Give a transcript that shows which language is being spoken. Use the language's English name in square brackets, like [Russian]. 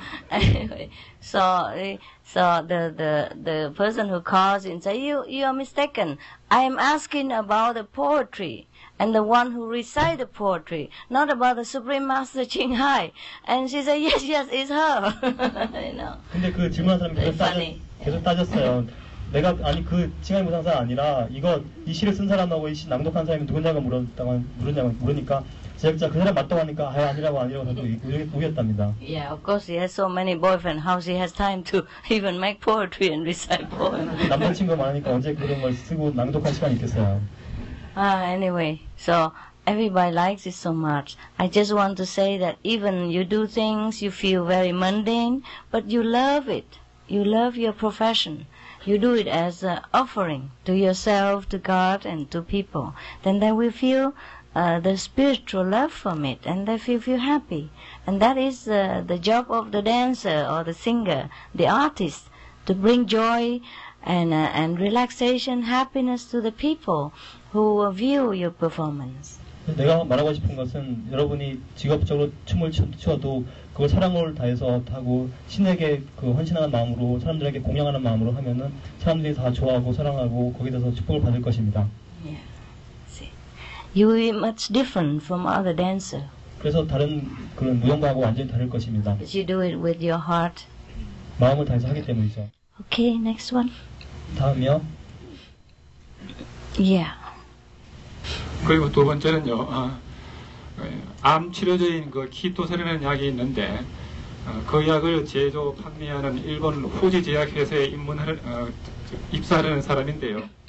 [English] Anyway, so the person who calls and say you are mistaken. I am asking about the poetry and the one who recite the poetry, not about the Supreme Master Ching Hai. And she said yes, it's her. You know. [Korean] 근데 그 질문한 사람이 계속 따졌어요. 내가 아니 그 칭하이 무상사 아니라 이거 이 시를 쓴 사람하고 이 시 낭독한 사람이 누군지가 물으니까. 제작자 그 사람 맞다고 하니까 아니라고 우겼답니다. [English] Yeah, of course he has so many boyfriends. How she has time to even make poetry and recite poems? [Korean] 남자친구 많으니까 언제 그런 걸 쓰고 낭독할 시간 있겠어요. [English] Anyway, so everybody likes it so much. I just want to say that even you do things, you feel very mundane, but you love it. You love your profession. You do it as an offering to yourself, to God, and to people. Then they will feel the spiritual love from it, and they feel happy. And that is the job of the dancer or the singer, the artist, to bring joy and relaxation, happiness to the people who view your performance. [Korean] 내가 말하고 싶은 것은 여러분이 직업적으로 춤을 추어도 그걸 사랑을 다해서 하고 신에게 그 헌신하는 마음으로 사람들에게 공양하는 마음으로 하면은 사람들이 다 좋아하고 사랑하고 거기에 대해서 축복을 받을 것입니다. [English] You will be much different from other dancer. [Korean] 그래서 다른 그런 무용가하고 완전히 다를 것입니다. [English] But you do it with your heart. [Korean] 마음을 다해서 하기 때문이죠. [English] Okay, next one. [Korean] 다음이요. [English] Yeah. [Korean] 그리고 두 번째는요. 암 치료제인 그 키토세라는 약이 있는데 그 약을 제조 판매하는 일본 후지 제약회사에 입사하는 사람인데요.